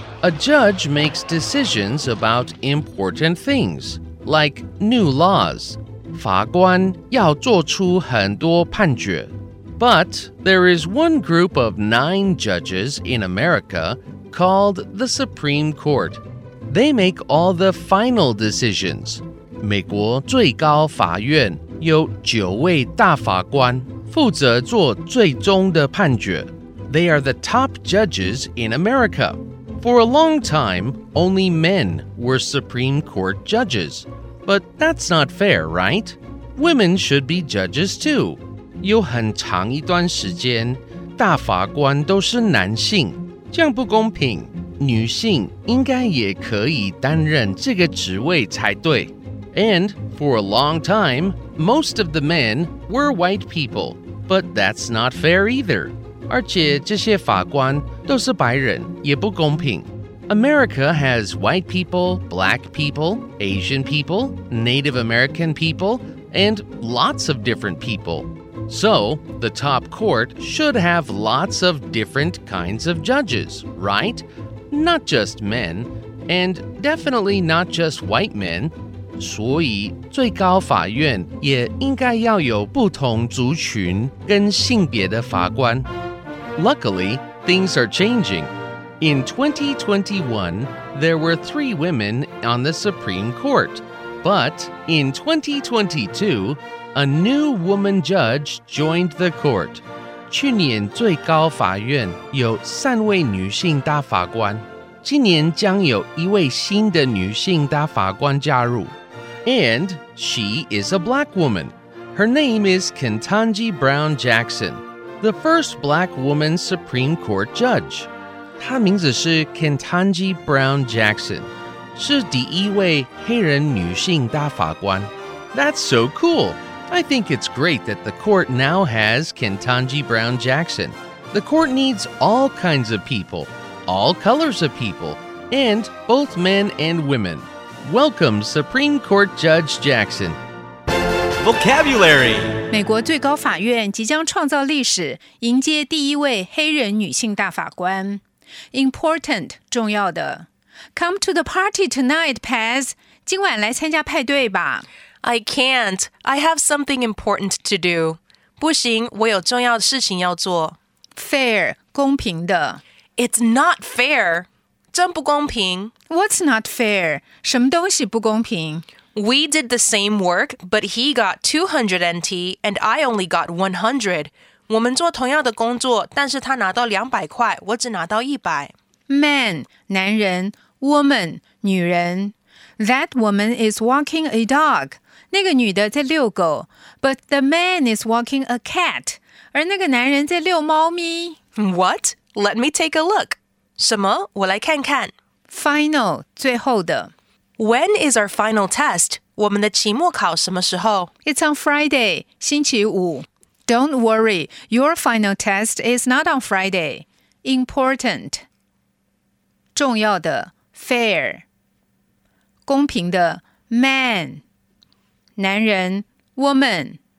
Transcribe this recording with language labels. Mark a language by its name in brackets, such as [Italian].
[English] A judge makes decisions about important things, like new laws. [Chinese] 法官要做出很多判决。 [English] But there is one group of 9 judges in America called the Supreme Court. They make all the final decisions. [Chinese] 美国最高法院有九位大法官负责做最终的判决。 [English] They are the top judges in America. For a long time, only men were Supreme Court judges. But that's not fair, right? Women should be judges too. [Chinese] 有很长一段时间，大法官都是男性，这样不公平。女性应该也可以担任这个职位才对。 [English] And for a long time, most of the men were white people. But that's not fair either. [Chinese] 而且这些法官都是白人，也不公平。 [English] America has white people, black people, Asian people, Native American people, and lots of different people. So, the top court should have lots of different kinds of judges, right? Not just men, and definitely not just white men. [Chinese] 所以最高法院也应该要有不同族群跟性别的法官。 [English] Luckily, things are changing. In 2021, there were 3 women on the Supreme Court. But in 2022, a new woman judge joined the court. [Chinese] 去年最高法院有3位女性大法官，今年将有一位新的女性大法官加入。 [English] And she is a black woman. Her name is Kentanji Brown Jackson. The first black woman Supreme Court judge. [Chinese] 她名字是 Kentanji Brown Jackson, 是第一位黑人女性大法官。 [English] That's so cool! I think it's great that the court now has Kentanji Brown Jackson. The court needs all kinds of people, all colors of people, and both men and women. Welcome, Supreme Court Judge Jackson. Vocabulary. [Chinese] 美国最高法院即将创造历史，迎接第一位黑人女性大法官。 [English] Important, 重要的。Come to the party tonight, Paz. [Chinese] 今晚来参加派对吧。 [English] I can't. I have something important to do. [Chinese] 不行，我有重要的事情要做。 [English] Fair, 公平的。 It's not fair. [Chinese] 真不公平。 [English] What's not fair? [Chinese] 什么东西不公平？ [English] We did the same work, but he got 200 NT, and I only got 100. [Chinese] 我们做同样的工作，但是他拿到200块，我只拿到100。 [English] Man, 男人 ,woman, 女人。 That woman is walking a dog. [Chinese] 那个女的在遛狗。 [English] But the man is walking a cat. [Chinese] 而那个男人在遛猫咪。 [English] What? Let me take a look. [Chinese] 什么？我来看看。 [English] Final, 最后的。 When is our final test? [Chinese] 我们的期末考什么时候? [English] It's on Friday, 星期五。 Don't worry, your final test is not on Friday. Important. 重要的, fair. [Chinese] 公平的, man. 男人, woman.